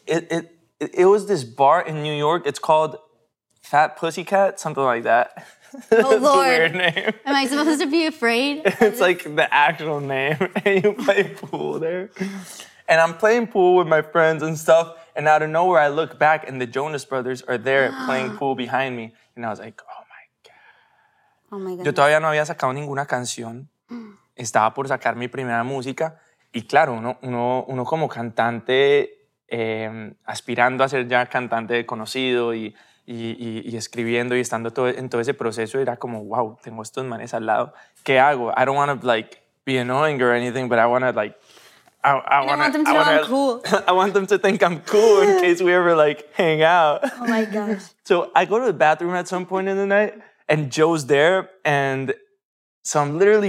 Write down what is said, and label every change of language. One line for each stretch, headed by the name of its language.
English: It was this bar in New York. It's called Fat Pussycat, something like that. Oh, Lord. Weird name. Am I supposed to be afraid? It's like the actual name. And you play pool there. And I'm playing pool with my friends and stuff. And out of nowhere, I look back and the Jonas Brothers are there playing pool behind me. And I was like, oh, my God. Oh, my God.
Spanish: Yo todavía no había sacado ninguna canción. Estaba por sacar mi primera música. Y claro, uno como cantante, aspirando a ser ya cantante conocido y escribiendo y estando todo, en todo ese proceso, era como, wow, tengo estos manes al lado. ¿Qué hago?
English: I don't want to, like, be annoying or anything, but I want to, like... I want them to think I'm cool in case we ever, like, hang out. Oh, my gosh. So I go to the bathroom at some point in the night, and Joe's there, and so I'm literally...